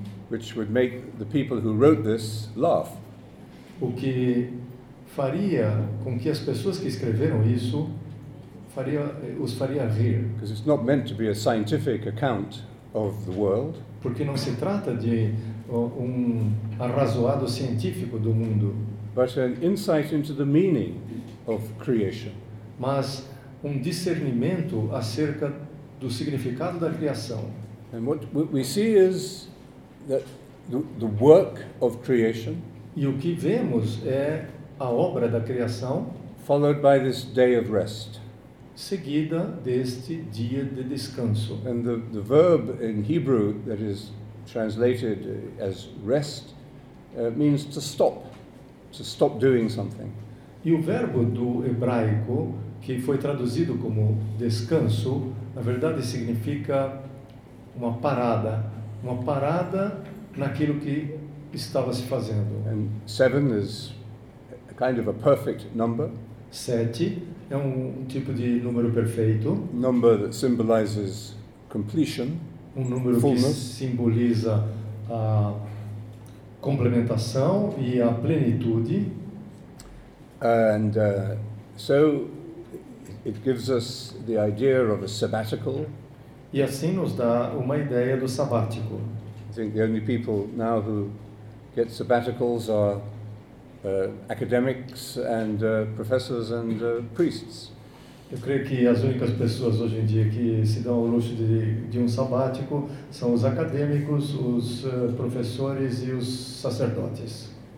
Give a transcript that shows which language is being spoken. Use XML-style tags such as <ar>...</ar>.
<en>Which would make the people who wrote this laugh.</en> <pt>O que faria com que as pessoas que escreveram isso os faria rir.</pt> <en>Because it's not meant to be a scientific account of the world.</en> <pt>Porque não se trata de um arrazoado científico do mundo.</pt> <en>But an insight into the meaning of creation.</en> <pt>Mas discernimento acerca do significado da criação.</pt> <en>And what we see is that the work of creation,</en> <pt>e o que vemos é a obra da criação,</pt> <en>followed by this day of rest,</en> <pt>seguida deste dia de descanso.</pt> <en>And the verb in Hebrew that is translated as rest means to stop doing something.</en> <pt>E o verbo do hebraico que foi traduzido como descanso, na verdade significa uma parada. Uma parada naquilo que estava se fazendo.</pt> <en>And seven is a kind of a perfect number.</en> <pt>Sete é um tipo de número perfeito.</pt> <en>Number that symbolizes completion.</en> <pt>Um número</pt> <en>fullness.</en> <pt>Que simboliza a complementação e a plenitude.</pt> <en>And so it gives us the idea of a sabbatical.</en> <pt>E assim nos dá uma ideia do sabático.</pt> <en>I think the only people now who get sabbaticals are academics and professors and priests.</en> <pt>Eu creio que as únicas pessoas hoje em dia que se dão o luxo de um sabático são os acadêmicos, os professores e os sacerdotes.</pt>